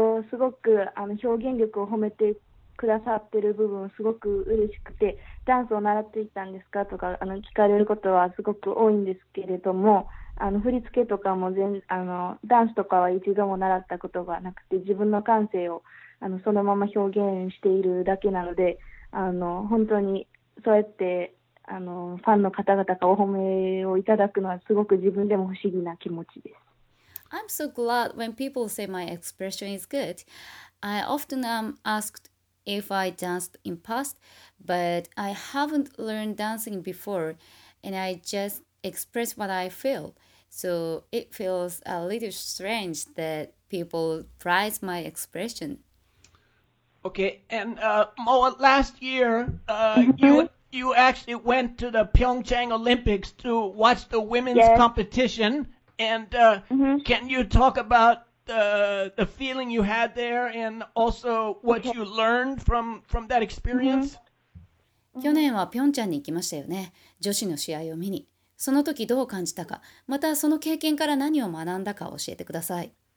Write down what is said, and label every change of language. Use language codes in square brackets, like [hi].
[ja] すごくあの表現力を褒めてくださってる部分すごく嬉しくて、ダンスを習っていたんですかとかあの聞かれることはすごく多いんですけれども、あの振り付けとかも全あのダンスとかは一度も習ったことがなくて、自分の感性をあのそのまま表現しているだけなので、あの本当にそうやってあのファンの方々からお褒めをいただくのはすごく自分でも不思議な気持ちです。 [en] I'm so glad when people say my expression is good. I often am askedIf I danced in past, but I haven't learned dancing before, and I just express what I feel. So it feels a little strange that people prize my expression. Okay, and Moa, last year, you actually went to the Pyeongchang Olympics to watch the women's competition. And can you talk about the feeling you had there and also what you learned from that experience? [ja] 去年はピョンチャンに行きましたよね。女子の試合を見に。その時どう感じたか、またその経験から何を学んだか教えてください。